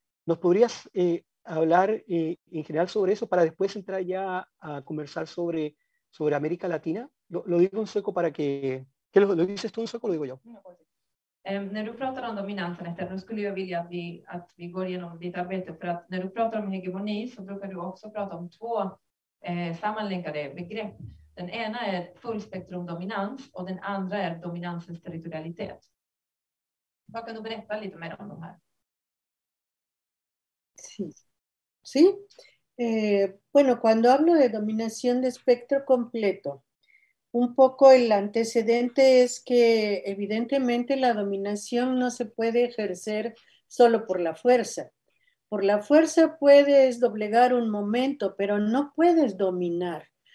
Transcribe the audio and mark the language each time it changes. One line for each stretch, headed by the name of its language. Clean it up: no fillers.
Spanish: ¿Nos podrías hablar en general sobre eso para después entrar ya a conversar sobre América Latina? Lo digo en sueco para que... ¿Qué lo dices tú en sueco o lo digo yo?
Swedish: När du pratar om dominansen, då skulle jag vilja att vi går igenom ditt arbete. För att när du pratar om hegemoni så brukar du också prata om två sammanlänkade begrepp. Den ena är fullspektrumdominans och den andra är dominansens territorialitet. Vad kan du berätta lite mer om de här?
Spanish: Sí. Sí. Bueno, cuando hablo de dominación de espectro completo, un poco el antecedente es que evidentemente la dominación no se puede ejercer solo por la fuerza. Por la fuerza puedes doblegar un momento, pero no puedes dominar.